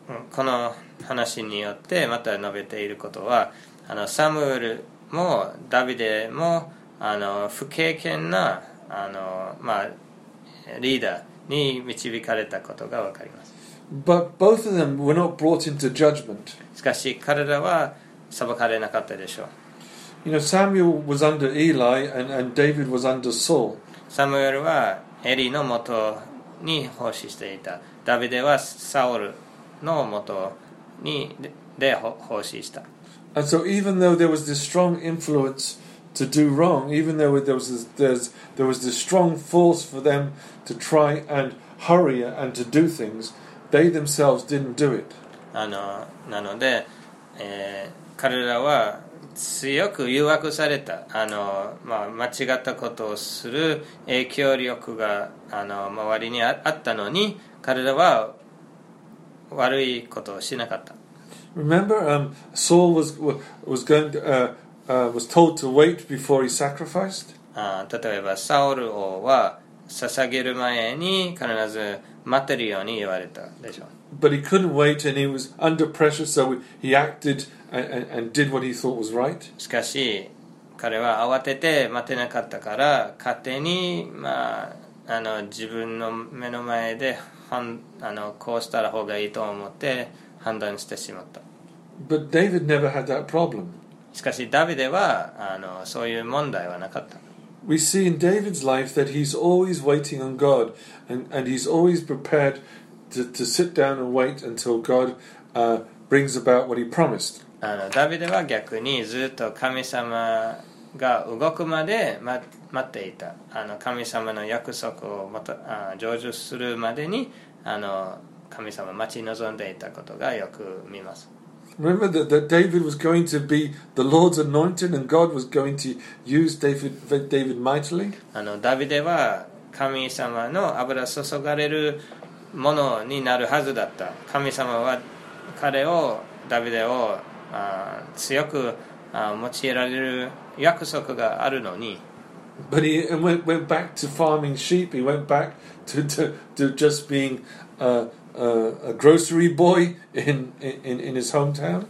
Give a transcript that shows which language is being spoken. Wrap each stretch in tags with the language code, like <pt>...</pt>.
<ja>この話によってまた述べていることはあのサムエルもダビデもあの不経験なあの、まあ、リーダーに導かれたことがわかります。</ja> <en>But both of them were not brought into judgment.</en> <ja>しかし彼らは裁かれなかったでしょう。</ja> <en>You know, Samuel was under Eli and David was under Saul.</en> <ja>サムエルはエリの元に奉仕していた。ダビデはサウルの元にで奉仕した。</ja> <en>And so even though there was this strong influence to do wrong, even though there was this strong force for them to try and hurry and to do things, they themselves didn't do it.</en> <ja>あの、なので、彼らは強く誘惑されたあの、まあ、間違ったことをする影響力があの周りに あったのに彼らは悪いことをしなかった。</ja> <en>Remember, Saul was going to, was told to wait before he sacrificed.</en> <ja>例えばサウル王は捧げる前に必ず待ってるように言われたでしょう。</ja> <en>But he couldn't wait and he was under pressure, so he acted and did what he thought was right.</en> <ja>しかし彼は慌てて待てなかったから勝手に、まあ、あの自分の目の前であのこうしたら方がいいと思って判断してしまった。</ja> <en>But David never had that problem.</en> <ja>しかしダビデはあのそういう問題はなかった。</ja> <en>We see in David's life that he's always waiting on God and he's always preparedto sit down and wait until God brings about what he promised.</en> <ja>あのダビデは逆にずっと神様が動くまで待っていた。あの神様の約束をまた成就するまでにあの神様待ち望んでいたことがよく見ます。</ja> <en>Remember that David was going to be the Lord's anointed and God was going to use David mightily.</en> <ja>あのダビデは神様の油注がれるものになるはずだった。神様は彼をダビデを強く用いられる約束があるのに。</ja> <en>But he went back to farming sheep. He went back to just being a grocery boy in his hometown.</en>